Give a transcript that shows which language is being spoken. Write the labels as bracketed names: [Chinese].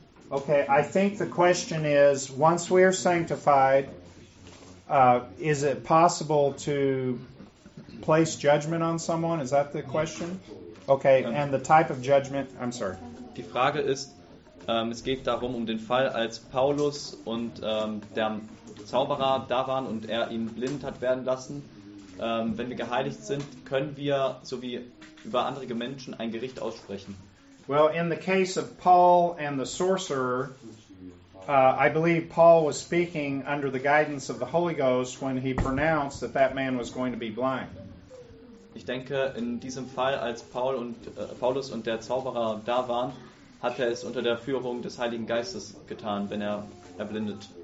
[English] Okay, I think the question is, once we are sanctified, is it possible to place judgment on someone? Is that the question? Okay, and the type of judgment, I'm sorry. [German] Die Frage ist, es geht darum, um den Fall, als Paulus und der Zauberer da waren und er ihn blind hat werden lassen. Wenn wir geheiligt sind, können wir, so wie über andere Menschen, ein Gericht aussprechen. [English] Well, in the case of Paul and the sorcerer, I believe Paul was speaking under the guidance of the Holy Ghost when he pronounced that that man was going to be blind. [German] Ich denke, in diesem Fall, als Paul und, Paulus und der Zauberer da waren, hat er es unter der Führung des Heiligen Geistes getan, wenn er erblindet.